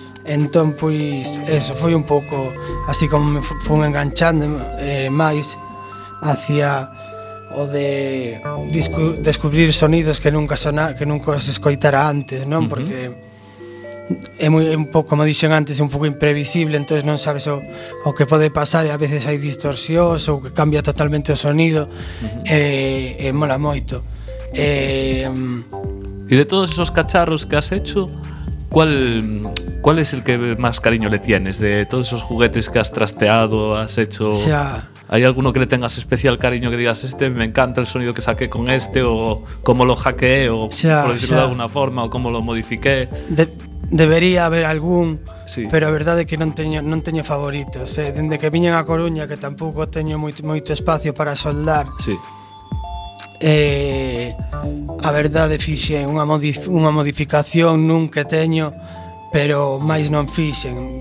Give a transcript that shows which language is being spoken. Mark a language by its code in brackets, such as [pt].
[gl] Entón, pois, eso foi un pouco así como me fun enganchando máis hacia o de descubrir sonidos que nunca os escoitara antes, non? Porque é un pouco, como dixen antes, un pouco imprevisible, entón non sabes o que pode pasar, e a veces hai distorsións ou que cambia totalmente o sonido. Mola moito. [es] Y de todos esos cacharros que has hecho, ¿cuál es el que más cariño le tienes? De todos esos juguetes que has trasteado, has hecho, o sea, ¿hay alguno que le tengas especial cariño, que digas, este me encanta el sonido que saqué con este, o cómo lo hackeé, o por decirlo de alguna forma, o cómo lo modifiqué? Debería haber algún, sí. [gl] Pero a verdade é que non teño favoritos. Dende que viñen a Coruña, que tampouco teño moito espacio para soldar. [es] Sí. [gl] A verdade, fixen unha modificación nun que teño, pero máis non fixen.